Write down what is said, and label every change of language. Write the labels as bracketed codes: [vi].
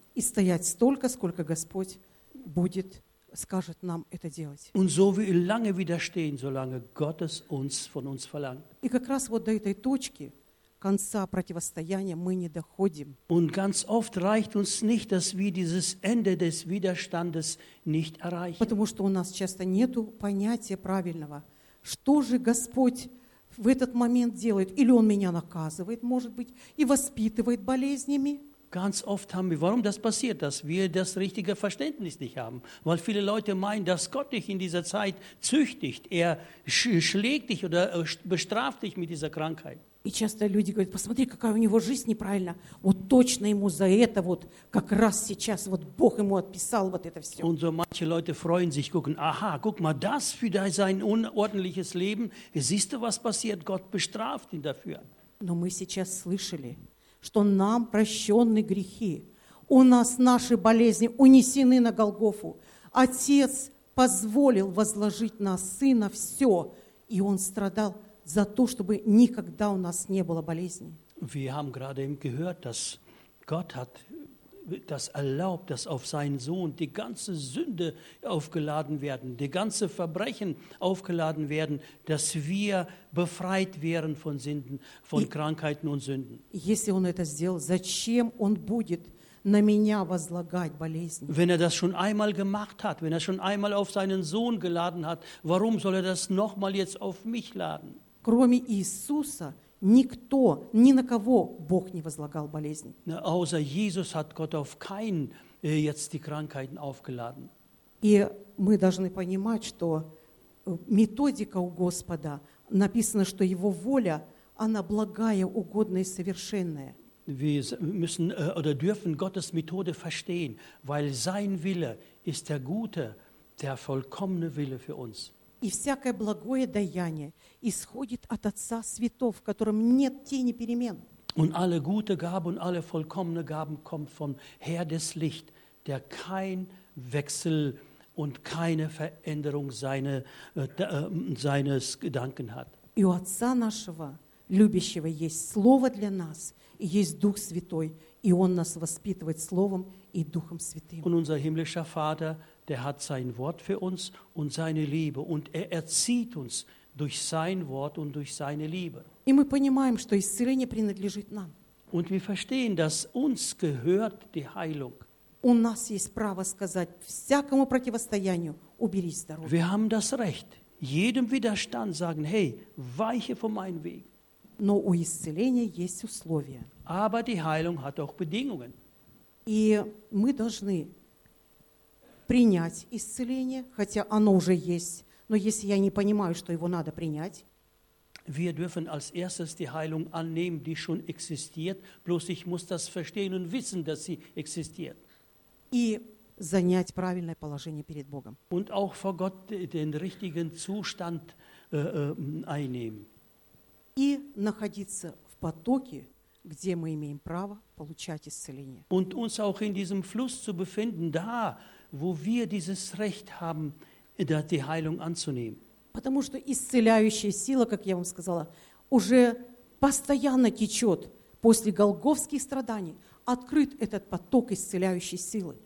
[ru] И стоять столько, сколько Господь будет, скажет нам это делать. [de] Und so lange widerstehen, solange Gott es uns von uns verlangt. [ru] И как раз вот до этой точки конца противостояния мы не доходим. [de] Und ganz oft reicht uns nicht, dass wir dieses Ende des Widerstandes nicht erreichen. [ru] Потому что у нас часто нету понятия правильного, что же Господь в этот момент делает, или он меня наказывает, может быть, и воспитывает болезнями. [de] Ganz oft haben wir, warum das passiert, dass wir das richtige Verständnis nicht haben. Weil viele Leute meinen, dass Gott dich in dieser Zeit züchtigt. Er schlägt dich oder bestraft dich mit dieser Krankheit. [ru] И часто люди говорят, посмотри, какая у него жизнь неправильна. Вот точно ему за это, вот как раз сейчас, вот Бог ему отписал вот это все. [de] Und so manche Leute freuen sich, gucken, aha, guck mal, das für sein unordentliches Leben. Siehst du, was passiert? Gott bestraft ihn dafür. [ru] Но мы сейчас слышали, что нам прощены грехи. У нас наши болезни унесены на Голгофу. Отец позволил возложить на Сына все, и Он страдал за то, чтобы никогда у нас не было болезни. [de] Wir haben gerade eben gehört, dass Gott hat das erlaubt, dass auf seinen Sohn die ganze Sünde aufgeladen werden, die ganze Verbrechen aufgeladen werden, dass wir befreit wären von Sünden, von Krankheiten und Sünden. [ru] Если он это сделал, зачем он будет на меня возлагать болезни? [de] Wenn er das schon einmal gemacht hat, wenn er schon einmal auf seinen Sohn geladen hat, warum soll er das nochmal jetzt auf mich laden? [ru] Кроме Иисуса никто, ни на кого Бог не возлагал болезни. [de] Außer Jesus hat Gott auf keinen jetzt die Krankheiten aufgeladen. [ru] И мы должны понимать, что методика у Господа написано, что Его воля, она благая, угодная и совершенная. [de] Wir müssen oder dürfen Gottes Methode verstehen, weil sein Wille ist der gute, der vollkommene Wille für uns. [ru] И всякое благое даяние исходит от Отца Святого, в котором нет тени перемен. [de] Und alle gute Gaben und alle vollkommene Gaben kommt vom Herr des Licht, der kein Wechsel und keine Veränderung seines Gedanken hat. [ru] И у Отца нашего любящего есть Слово для нас, и есть Дух Святой, и Он нас воспитывает Словом и Духом Святым. [de] Und unser himmlischer Vater, der hat sein Wort für uns und seine Liebe. Und er erzieht uns durch sein Wort und durch seine Liebe. [ru] И мы понимаем, что исцеление принадлежит нам. [de] Und wir verstehen, dass uns gehört die Heilung. [ru] У нас есть право сказать всякому противостоянию, убери здоровье. [de] Wir haben das Recht, jedem Widerstand sagen, hey, weiche von meinem Weg. [ru] Но у исцеления есть условия. [de] Aber die Heilung hat auch Bedingungen. [ru] И мы должны принять исцеление, хотя оно уже есть, но если я не понимаю, что его надо принять. [de] Wir dürfen als erstes die Heilung annehmen, die schon existiert, bloß ich muss das verstehen und wissen, dass sie existiert. [ru] И занять правильное положение перед Богом. [de] Und auch vor Gott den richtigen Zustand einnehmen. [ru] И находиться в потоке, где мы имеем право получать исцеление. [de] Und uns auch in diesem Fluss zu befinden, da wo wir dieses Recht haben, die Heilung anzunehmen. [ru] Потому что исцеляющая сила, как я вам сказала, уже постоянно течет после голгофских страданий. Открыт этот поток исцеляющей силы.